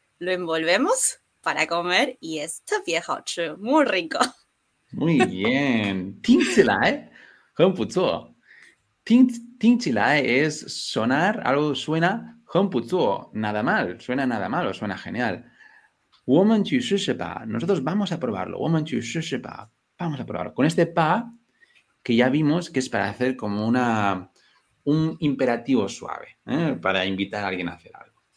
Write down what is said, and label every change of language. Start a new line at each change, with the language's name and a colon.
Spanish: Lo envolvemos para comer y es súper delicioso, muy rico. Muy bien,
Chinese: 听起来很不错。听起来
Spanish: es sonar, algo suena
Chinese: 很不错，
Spanish: nada mal, suena nada mal o suena genial.
Chinese: 我们去试试吧，
Spanish: nosotros vamos a probarlo,
Chinese: 我们去试试吧，
Spanish: vamos a probarlo. Con este pa, que ya vimos que es para hacer como un imperativo suave, para invitar a alguien a hacer algo.